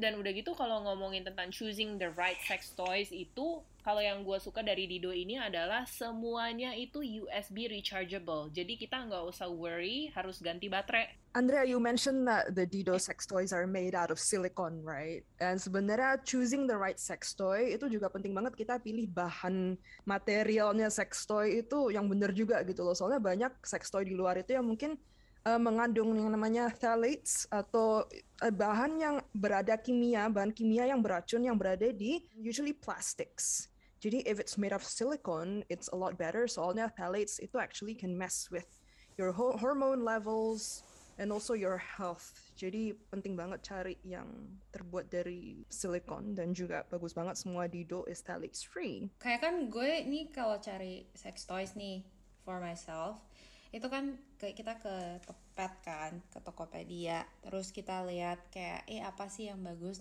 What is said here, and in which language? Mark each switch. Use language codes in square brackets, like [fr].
[id] Dan udah gitu kalau ngomongin tentang [en] choosing the right sex toys [id] itu, kalau yang gue suka dari Dido ini adalah semuanya itu USB rechargeable. Jadi kita nggak usah worry harus ganti baterai. [en] Andrea, you mentioned that the Dido sex toys are made out of silicone, right? [id] And sebenarnya [en] choosing the right sex toy [id] itu juga penting banget, kita pilih bahan materialnya sex toy itu yang benar juga gitu loh. Soalnya banyak sex toy di luar itu yang mungkin mengandung yang namanya phthalates atau bahan yang berada kimia, bahan kimia yang beracun yang berada di [en] usually plastics. Jadi if it's made of silicone, it's a lot better. Soalnya phthalates itu actually can mess with your hormone levels and also your health. [id] Jadi penting banget cari yang terbuat dari silikon, dan juga bagus banget semua [en] Dido is phthalates free. [id] Kayak kan gue nih kalau cari sex toys nih [en] for myself, [id] itu kan kita ke Tokped kan, ke Tokopedia, terus kita lihat kayak apa sih yang bagus.